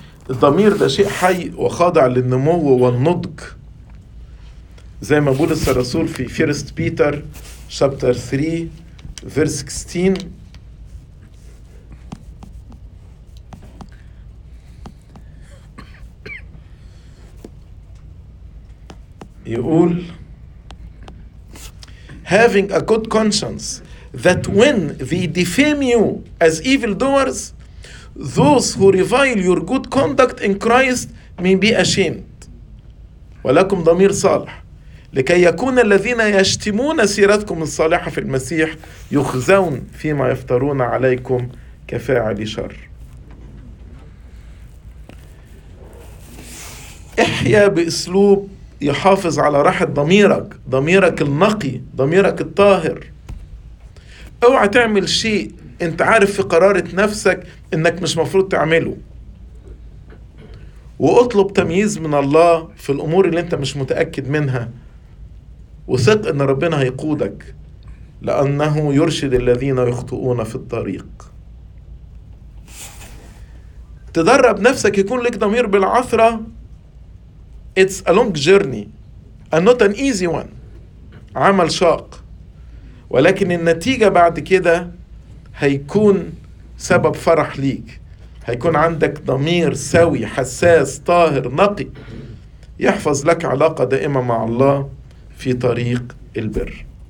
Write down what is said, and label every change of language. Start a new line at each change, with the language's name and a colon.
Arabic: الضمير ده شيء حي وخاضع للنمو والنضج، زي ما بولس الرسول في 1 بيتر
English: chapter 3 verse 16
Arabic: يقول
English: having a good conscience, that when they defame you as evildoers, those who revile your good conduct in Christ may be ashamed.
Arabic: ولكم ضمير صالح لكي يكون الذين يشتمون سيرتكم الصالحة في المسيح يخزون فيما يفترون عليكم كفاعل شر. احيا بأسلوب يحافظ على راحة ضميرك، ضميرك النقي، ضميرك الطاهر. اوعى تعمل شيء انت عارف في قرارة نفسك انك مش مفروض تعمله، واطلب تمييز من الله في الامور اللي انت مش متأكد منها، وثق ان ربنا هيقودك لانه يرشد الذين يخطئون في الطريق. تدرب نفسك يكون لك ضمير بالعثرة.
English: It's a long journey and not an easy one.
Arabic: عمل شاق، ولكن النتيجة بعد كده هيكون سبب فرح ليك، هيكون عندك ضمير سوي حساس طاهر نقي يحفظ لك علاقة دائمة مع الله في طريق البر.